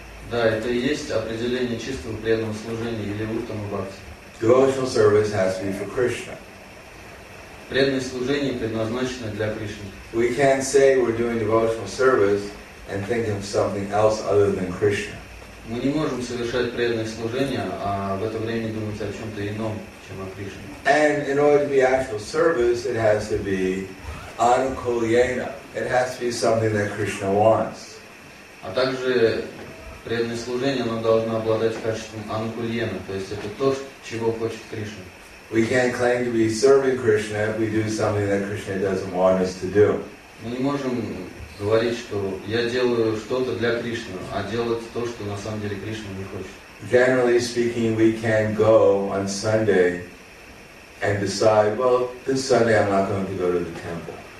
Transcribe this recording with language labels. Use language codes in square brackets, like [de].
[ru] Да, это и есть определение чистого преданного служения или уттама бхакти. [en] Devotional service has to be for Krishna. [ru] Преданное служение предназначено для Кришны. [en] We can't say we're doing devotional service and think of something else other than Krishna. [ru] Мы не можем совершать преданное служение, а в это время думать о чем-то ином, чем о Кришне. [en] And in order to be actual service, it has to be anukulyena. It has to be something that Krishna wants. [ru] А также преданное служение, оно должно обладать качеством анукульена, то есть это то, чего хочет Кришна. [en] We can't claim to be serving Krishna if we do something that Krishna doesn't want us to do. [ru] Мы не можем говорить, что я делаю что-то для Кришны, а делать то, что на самом деле Кришна не хочет. [en] Generally speaking, we can go on Sunday and decide, well, this Sunday I'm not going to go to the temple.